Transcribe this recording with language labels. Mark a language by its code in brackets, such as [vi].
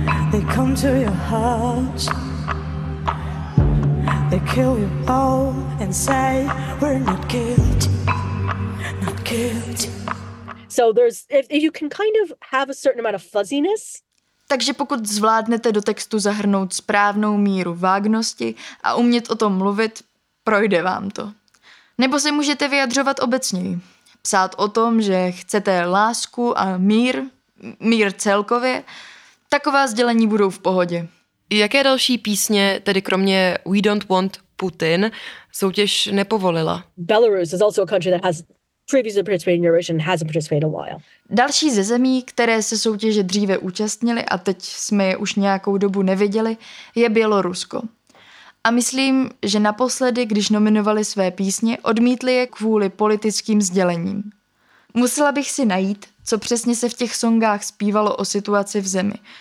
[en] They come to your heart, they kill you all and say we're not guilty, not guilty. So there's if you can kind of have a certain amount of fuzziness. [cs] Takže pokud zvládnete do textu zahrnout správnou míru vágnosti a umět o tom mluvit, projde vám to. Nebo se můžete vyjadřovat obecněji. Psát o tom, že chcete lásku a mír celkově. Taková sdělení budou v pohodě. Jaké další písně, tedy kromě We Don't Want Putin, soutěž nepovolila? [en] Belarus is also a country that has previously participated in Eurovision, hasn't participated a while. [cs] Další ze zemí, které se soutěže dříve účastnili a teď jsme je už nějakou dobu neviděli, je Bělorusko. A myslím, že naposledy, když nominovali své písně, odmítli je kvůli politickým sdělením. Musela bych si najít, co přesně se v těch songách zpívalo o situaci v zemi.